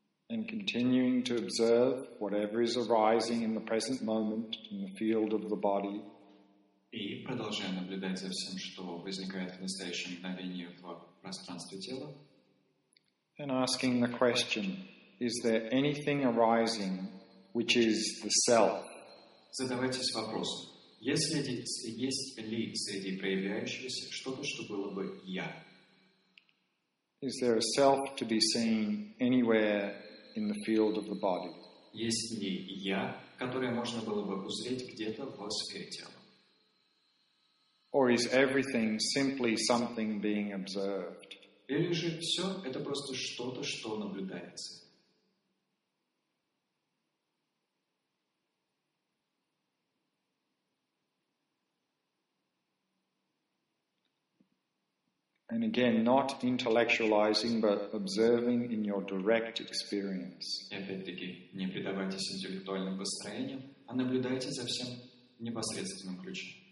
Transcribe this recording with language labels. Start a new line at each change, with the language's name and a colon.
English: and continuing to observe whatever is arising in the present moment in the field of the body.
Russian: И продолжая наблюдать за всем, что возникает в настоящем мгновении в пространстве тела.
English: And asking the question, is there anything arising which is the self?
Russian: Задавайтесь вопросом, есть ли среди проявляющегося что-то, что было бы я?
English: Is there a self to be seen anywhere in the field of the body?
Russian: Есть ли я, которое можно было бы узреть где-то в сфере тела?
English: Or is everything simply something being observed?
Russian: Или же все это просто что-то, что наблюдается?
English: And again, not intellectualizing, but observing in your direct experience.
Russian: И опять-таки, не предавайтесь интеллектуальным построениям, а наблюдайте за всем непосредственным ключом.